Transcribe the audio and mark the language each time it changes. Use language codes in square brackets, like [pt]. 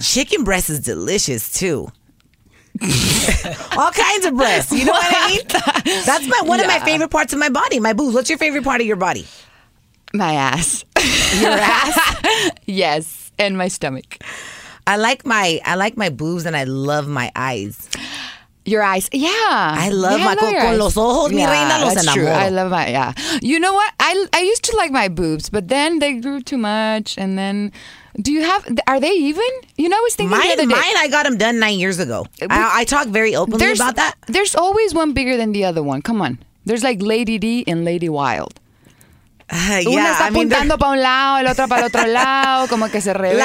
[en] Chicken breasts is delicious, too. All kinds of breasts. You know what I mean? That's one of my favorite parts of my body, my boobs. What's your favorite part of your body? My ass. Your ass? Yes. And my stomach. I like my boobs and I love my eyes. Your eyes. Yeah. I love my [es] con los ojos, mi reina, los enamoro. [en] I love my You know what? I used to like my boobs, but then they grew too much and then are they even? You know, I was thinking mine, the other day. Mine, I got them done 9 years ago. I talk very openly about that. There's always one bigger than the other one. Come on. There's like Lady D and Lady Wild. Yeah, [es] una está apuntando para un lado, el otro para el otro lado, como que se revela.